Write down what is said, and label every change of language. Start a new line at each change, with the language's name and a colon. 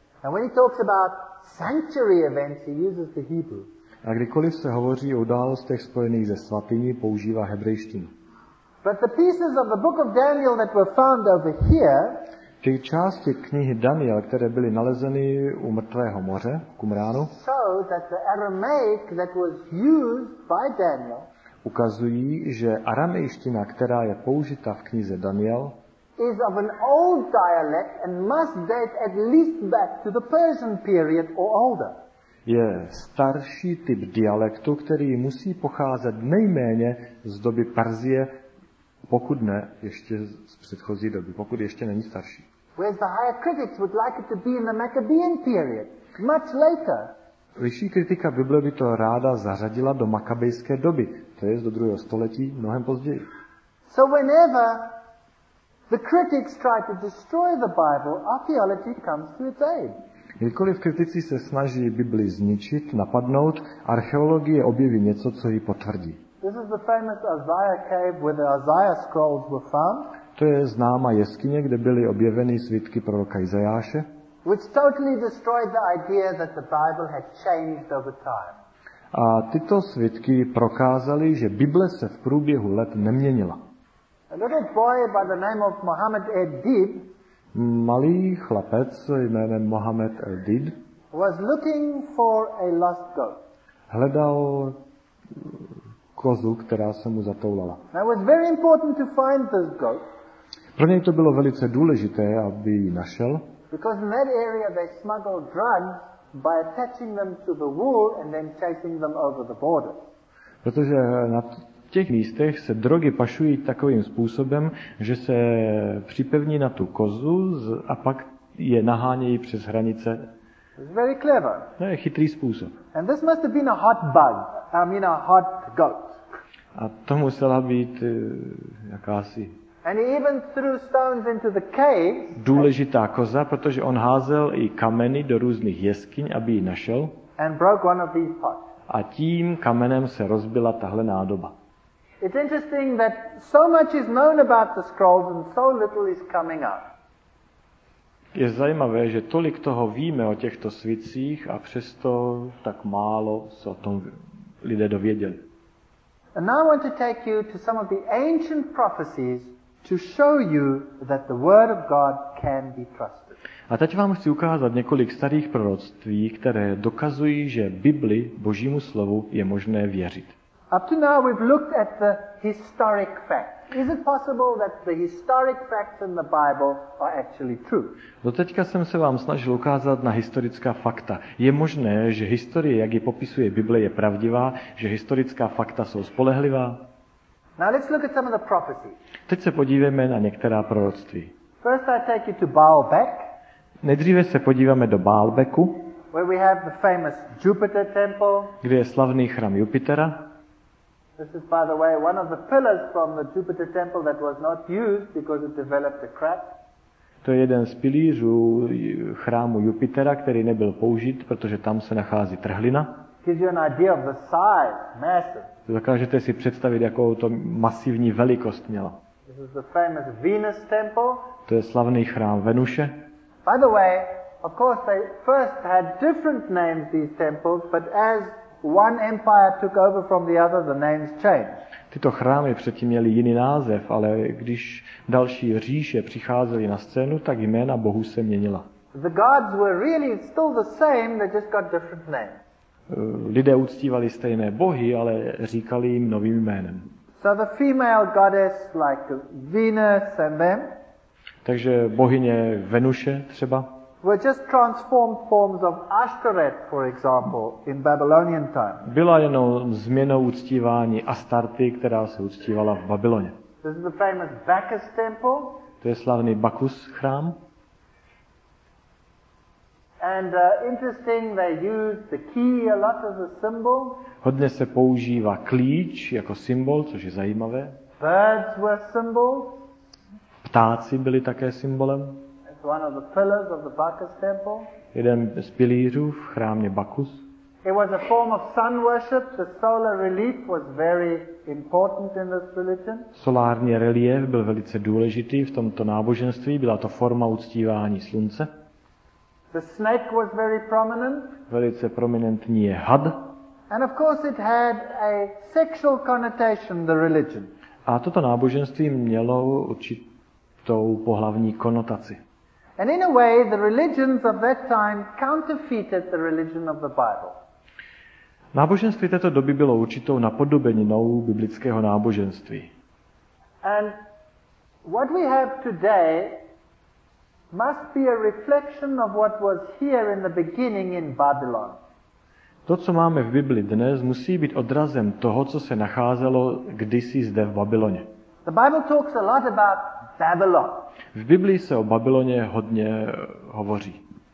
English: And when he talks about sanctuary events, he uses the Hebrew.
Czech: A kdykoliv se hovoří o událostech spojených se svatyní, používá hebrejštinu.
English: But the pieces of the book of Daniel that were found over here,
Czech: ty části knihy Daniel, které byly nalezeny u mrtvého moře, Kumránu,
English: show that the Aramaic that was used by Daniel,
Czech: ukazují, že aramejština, která je použita v knize Daniel,
English: is of an old dialect and must date at least back to the Persian period or older.
Czech: Je starší typ dialektu, který musí pocházet nejméně z doby Perzie, pokud ne ještě z předchozí doby, pokud ještě není starší.
English: Whereas the higher critics would like it to be in the Maccabean period, much later.
Czech: Vyšší kritika Bible by to ráda zařadila do makabejské doby, to je do 2. století, mnohem později.
English: So whenever the critics try to destroy the Bible, archaeology comes to its aid.
Czech: Kdykoliv kritici se snaží Bibli zničit, napadnout, archeologie objeví něco, co ji potvrdí.
English: This is the famous Isaiah cave where the Isaiah scrolls were found.
Czech: To je známá jeskyně, kde byly objeveny svitky proroka Izajáše.
English: Which totally destroyed the idea that the Bible had changed over time.
Czech: A tyto svitky prokázaly, že Bible se v průběhu let neměnila.
English: A little boy by the name of Mohammed Edib,
Czech: malý chlapec jménem Mohammed Edib,
English: was looking for a lost goat.
Czech: Hledal kozu, která se mu zatoulala.
English: Now it was very important to find this goat.
Czech: Pro něj to bylo velice důležité, aby ji našel.
English: Because in that area they smuggle drugs by attaching them to the wool and then chasing them over the border.
Czech: Protože v těch místech se drogy pašují takovým způsobem, že se připevní na tu kozu a pak je nahánějí přes hranice.
English: It's very clever.
Czech: To je chytrý způsob.
English: And this must have been a hot bug. I mean a hot goat.
Czech: A to musela být jakási.
English: And he even threw stones into the caves.
Czech: Důležitá koza, protože on házel i kameny do různých jeskyň, aby ji našel.
English: And broke one of these pots.
Czech: A tím kamenem se rozbila tahle nádoba.
English: It's interesting that so much is known about the scrolls and so little is coming up.
Czech: Je zajímavé, že tolik toho víme o těchto svicích a přesto tak málo se o tom lidé dověděli.
English: And now I want to take you to some of the ancient prophecies to show you that the word of God can be trusted.
Czech: A teď vám chci ukázat několik starých proroctví, které dokazují, že Bibli, Božímu slovu, je možné věřit.
English: Up to now we've looked at the historic facts. Is it possible that the historic facts in the Bible are actually true?
Czech: Doteďka jsem se vám snažil ukázat na historická fakta. Je možné, že historie, jak ji popisuje Bible, je pravdivá, že historická fakta jsou spolehlivá?
English: Now let's look at some of the prophecies.
Czech: Teď se podívejme na některá proroctví.
English: First I take you to Baalbek.
Czech: Nejdříve se podíváme do Baalbeku.
English: Where we have the famous Jupiter temple.
Czech: Kde je slavný chrám Jupitera.
English: This is, by the way, one of the pillars from the Jupiter temple that was not used because it developed a crack.
Czech: To je jeden z pilířů chrámu Jupitera, který nebyl použit, protože tam se nachází trhlina.
English: Gives you an idea of the size, massive.
Czech: Dokážete si představit, jakou to masivní velikost měla.
English: This is the famous Venus temple.
Czech: To je slavný chrám Venuše.
English: By the way, of course, they first had different names, these temples, but as one empire took over from the other, the names changed.
Czech: Tyto chrámy předtím měly jiný název, ale když další říše přicházely na scénu, tak jména bohů se měnila.
English: The gods were really still the same, they just got different names.
Czech: Lidé uctívali stejné bohy, ale říkali jim novým jménem.
English: So the female goddess like Venus and them.
Czech: Takže bohyně Venuše třeba.
English: Were just transformed forms of Ashtoreth, for example, in Babylonian time.
Czech: Byla jenom změnou uctívání Astarty, která se uctívala v Babyloně.
English: This is the famous Bacchus temple.
Czech: To je slavný Bacchus chrám.
English: And interesting, they used the key a lot as a symbol.
Czech: Hodně se používá klíč jako symbol, což je zajímavé.
English: Birds were symbols.
Czech: Ptáci byli také symbolem.
English: It's one of the pillars of the Bacchus temple.
Czech: Jeden z pilířů v chrámě Bacchus.
English: It was a form of sun worship. The solar relief was very important in this religion.
Czech: Solární relief byl velice důležitý v tomto náboženství. Byla to forma uctívání slunce.
English: The snake was very prominent.
Czech: Velice prominentní je had.
English: And of course it had a sexual connotation, the religion.
Czech: A toto náboženství mělo určitou pohlavní konotaci.
English: And in a way the religions of that time counterfeited the religion of the Bible.
Czech: Náboženství této doby bylo určitou napodobeninou biblického náboženství.
English: And what we have today must be a reflection of what was here in the beginning in Babylon.
Czech: To, co máme v Bibli dnes, musí být odrazem toho, co se nacházelo kdysi zde v Babyloně.
English: The Bible talks a lot about Babylon.
Czech: V Biblii se o Babyloně hodně hovoří.